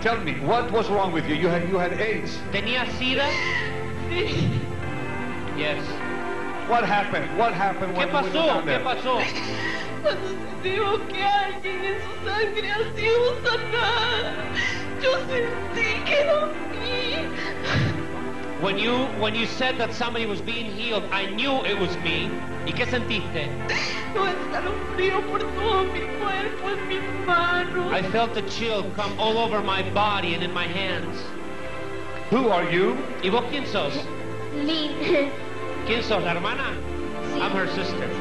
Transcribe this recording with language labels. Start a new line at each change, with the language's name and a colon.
English: Tell me, what was wrong with you? You had AIDS.
Spanish: Tenía sida.
English: Yes. What happened? What happened?
Spanish: ¿Qué pasó? ¿Qué pasó? Dijo que alguien en su sangre ha sido sanado. Yo sentí que era mí.
English: When you said that somebody was being healed, I knew it was me.
Spanish: ¿Y qué sentiste? No estaba frío por todo mi cuerpo, en mis manos.
English: I felt a chill come all over my body and in my hands. Who are you?
Spanish: ¿Y vos quién sos?
English: Me.
Spanish: ¿Quién sos, la hermana? Sí.
English: I'm her sister.